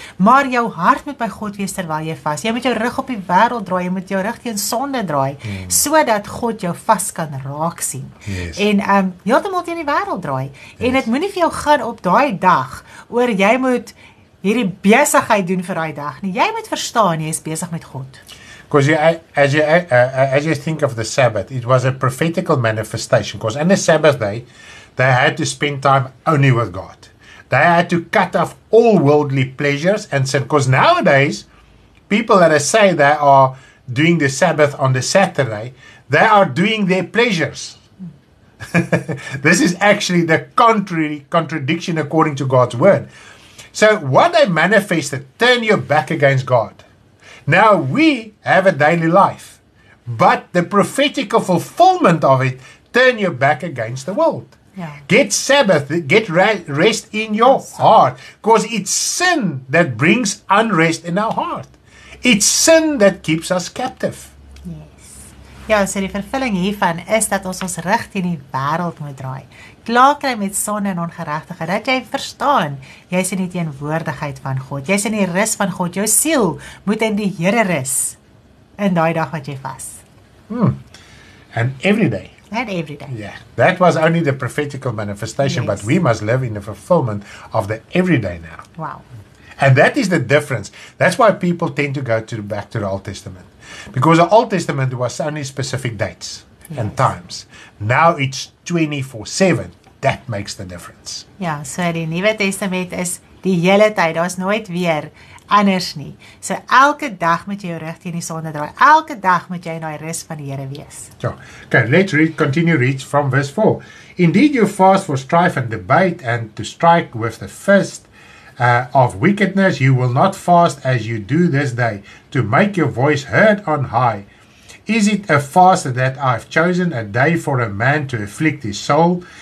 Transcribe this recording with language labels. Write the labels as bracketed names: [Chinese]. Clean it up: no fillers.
[Afrikaans] Maar jou hart moet by God wees terwyl jy vas. Jy moet jou rug op die wêreld draai, jy moet jou rug teen sonde draai, sodat God jou vas kan raak sien. [English] Yes. [Afrikaans] En heeltemal teen die wêreld draai. [English] Yes. [Afrikaans] En dit moenie vir jou gaan op daai dag, oor jy moet hierdie besigheid doen vir daai dag nie. Jy moet verstaan, jy is besig met God. [English] Because as you think of the Sabbath, it was a prophetical manifestation. Because on the Sabbath day, they had to spend time only with God. They had to cut off all worldly pleasures and sin. Because nowadays, people that say they are doing the Sabbath on the Saturday, they are doing their pleasures. This is actually the contradiction according to God's word. So what they manifested, turn your back against God. Now, we have a daily life, but the prophetical fulfillment of it, turn your back against the world. Yeah. Get Sabbath, get rest in your heart, because it's sin that brings unrest in our heart. It's sin that keeps us captive. [Afrikaans] Ja, so die vervulling hiervan is dat ons rug teen die wêreld moet draai. Klaar kry met sonde en ongeregtigheid, dat jy verstaan, jy is in die teenwoordigheid van God, jy is in die rus van God, jou siel moet in die Here rus, in daai dag wat jy vas. [English] And every day. And every day. Yeah, that was only the prophetical manifestation, yes. But we must live in the fulfillment of the every day now. Wow. And that is the difference. That's why people tend to go back to the Old Testament. Because the Old Testament was only specific dates and times. Now it's 24/7. That makes the difference. [Afrikaans] Ja, so die Nuwe Testament is die hele tyd. Daar's nooit weer anders nie. So elke dag moet jy jou rug teen die sonde draai. Elke dag moet jy in daai rus van die Here wees. Ja. [English] Okay, let's continue reading from verse 4. Indeed you fast for strife and debate and to strike with the fist of wickedness, you will not fast as you do this day, to make your voice heard on high. Is it a fast that I've chosen, a day for a man to afflict his soul?